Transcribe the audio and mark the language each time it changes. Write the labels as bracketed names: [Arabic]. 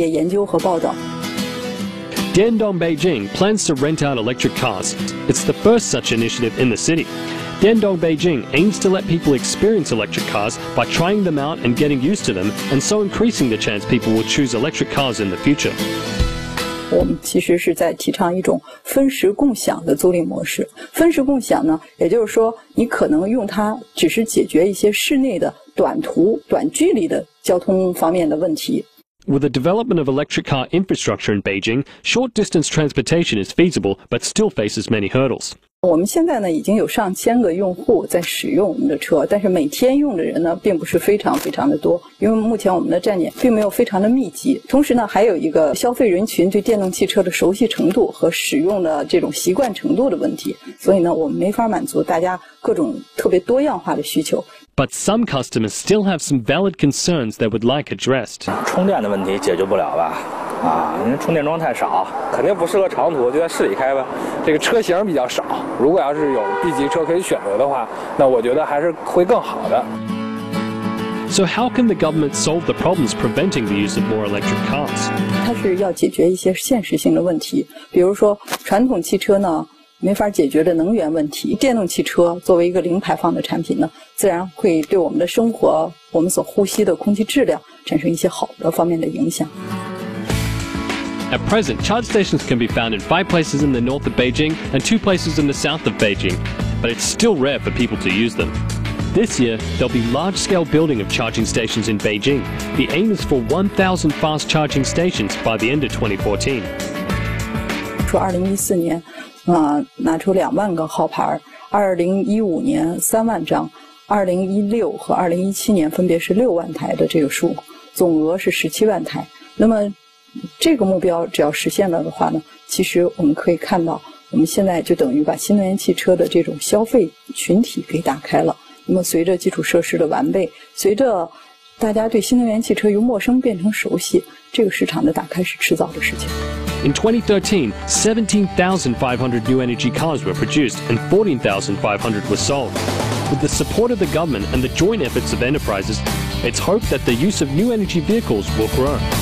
[English] Diandong Beijing plans to rent out electric cars. It's the first such initiative in the city. Diandong Beijing aims to let people experience electric cars by trying them out and getting used to them, and so increasing the chance people will choose electric cars in the future. [Chinese] 我们其实是在提倡一种分时共享的租赁模式。分时共享呢，也就是说你可能用它只是解决一些室内的短途、短距离的交通方面的问题。 [English] With the development of electric car infrastructure in Beijing, short distance transportation is feasible but still faces many hurdles. [Chinese] 我们现在呢已经有上千个用户在使用我们的车，但是每天用的人呢并不是非常非常的多，因为目前我们的站点并没有非常的密集。同时呢还有一个消费人群对电动汽车的熟悉程度和使用的这种习惯程度的问题，所以呢我们没法满足大家各种特别多样化的需求。 [English] But some customers still have some valid concerns they would like addressed. [Chinese] 充电的问题解决不了吧？啊，因为充电桩太少，肯定不适合长途，就在市里开吧。这个车型比较少，如果要是有 B 级车可以选择的话，那我觉得还是会更好的。 [English] So how can the government solve the problems preventing the use of more electric cars? [Chinese] 它是要解决一些现实性的问题，比如说传统汽车呢。没法解决的能源问题，电动汽车作为一个零排放的产品呢，自然会对我们的生活，我们所呼吸的空气质量产生一些好的方面的影响。 [English] At present, charge stations can be found in 5 places in the north of Beijing and 2 places in the south of Beijing, but it's still rare for people to use them. This year, there'll be large-scale building of charging stations in Beijing. The aim is for 1,000 fast charging stations by the end of 2014. [Chinese] 说2014年。拿出20,000个号牌，2015年30,000张，2016和2017年分别是60,000台的这个数，总额是170,000台。那么，这个目标只要实现了的话呢，其实我们可以看到，我们现在就等于把新能源汽车的这种消费群体给打开了。那么，随着基础设施的完备，随着大家对新能源汽车由陌生变成熟悉，这个市场的打开是迟早的事情。 [English] In 2013, 17,500 new energy cars were produced and 14,500 were sold. With the support of the government and the joint efforts of enterprises, it's hoped that the use of new energy vehicles will grow.